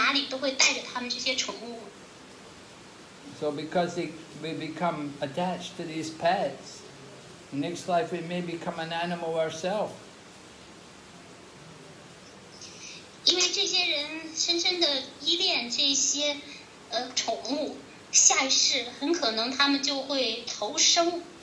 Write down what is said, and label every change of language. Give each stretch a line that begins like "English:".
Chinese: 这种景象在当今世界很司空见惯，就是那些养宠物、猫、宠物狗的人，就无论走到哪里都会带着他们这些宠物。
English: So because we become attached to these pets, next life we may become an animal ourselves.
Chinese: 因为这些人深深的依恋这些宠物，下一世很可能他们就会投生。